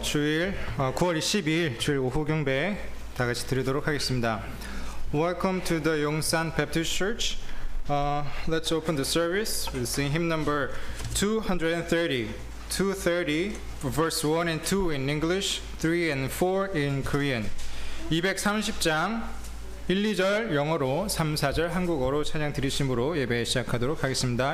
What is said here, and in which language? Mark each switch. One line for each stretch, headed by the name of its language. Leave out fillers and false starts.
Korean: 주일 9월 22일 주일 오후 경배 다 같이 드리도록 하겠습니다.
English: Welcome to the Yongsan Baptist Church. Let's open the service with singing hymn number 230 verse 1 and 2 in English, 3 and 4 in Korean.
Korean: 230장 1, 2절 영어로 3, 4절 한국어로 찬양 드리심으로 예배 시작하도록 하겠습니다.